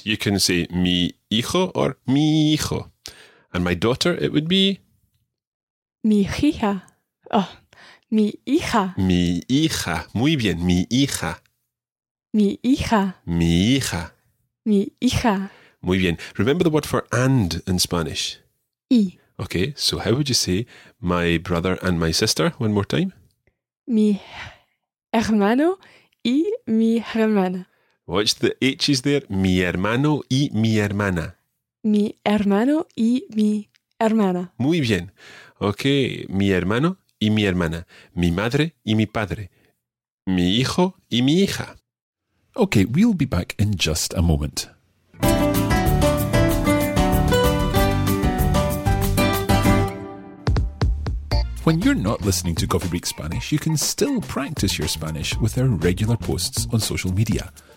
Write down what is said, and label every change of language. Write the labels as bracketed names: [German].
[English] You can say [Spanish] mi hijo or mi hijo. [English] And my daughter, it would be? [Spanish] Mi hija. Oh. Mi hija. Mi hija. Muy bien. Mi hija. Mi hija. Mi hija. Mi hija. Muy bien. [English] Remember the word for and in Spanish? [Spanish] Y. [English] Okay, so how would you say my brother and my sister? One more time. [Spanish] Mi hermano y mi hermana. [English] Watch the H's there. [Spanish] Mi hermano y mi hermana. Mi hermano y mi hermana. Muy bien. Okay, mi hermano y mi hermana, mi madre y mi padre, mi hijo y mi hija. [English] Okay, we'll be back in just a moment. When you're not listening to Coffee Break Spanish, you can still practice your Spanish with our regular posts on social media.